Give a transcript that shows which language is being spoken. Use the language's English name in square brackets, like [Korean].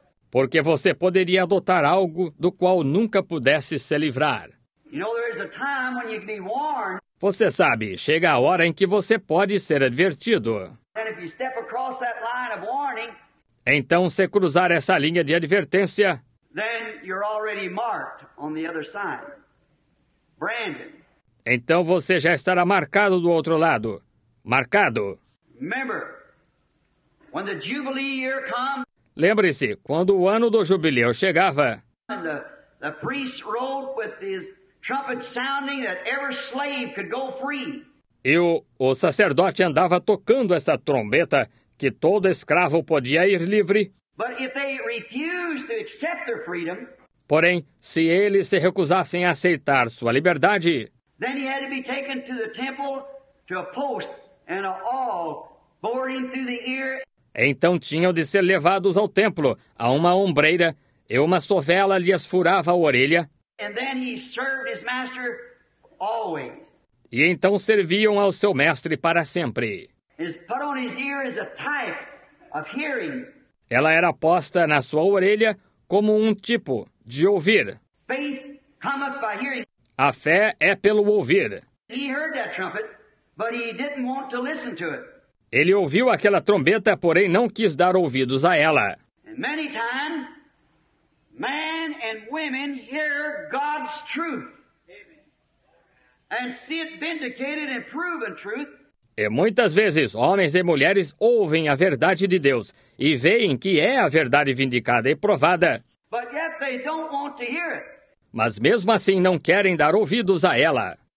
[Portuguese] Porque você poderia adotar algo do qual nunca pudesse se livrar. [English] You know, there is a time when you can be warned. [Portuguese] Você sabe, chega a hora em que você pode ser advertido. [English] And if you step across that line of warning, [Portuguese] então, se cruzar essa linha de advertência, [English] then you're already marked on the other side. Brandon. [Portuguese] Então você já estará marcado do outro lado. Marcado. [English] Remember, when the jubilee year comes, [Portuguese] lembre-se, quando o ano do jubileu chegava, [English] the priest rode with his trumpet sounding that every slave could go free. [Portuguese] E o sacerdote andava tocando essa trombeta que todo escravo podia ir livre. [English] But if they refused to accept their freedom, [Portuguese] porém, se eles se recusassem a aceitar sua liberdade, [English] then he had to be taken to the temple to a post and an awl bored him through the ear. [Portuguese] Então tinham de ser levados ao templo a uma ombreira e uma sovela lhes furava a orelha. [English] And then he served his master always. [Portuguese] E então serviam ao seu mestre para sempre. [English] Is put on his ear as a type of hearing. [Portuguese] Ela era posta na sua orelha como um tipo de ouvir. [English] Faith cometh by hearing. [Portuguese] A fé é pelo ouvir. [English] He heard that trumpet, but he didn't want to listen to it. [Portuguese] Ele ouviu aquela trombeta, porém não quis dar ouvidos a ela. [English] And many times, men and women hear God's truth. And see it vindicated and proven truth. [Portuguese] E muitas vezes, homens e mulheres ouvem a verdade de Deus e veem que é a verdade vindicada e provada. [English] But yet they don't want to hear it. [Portuguese] Mas mesmo assim não querem dar ouvidos a ela.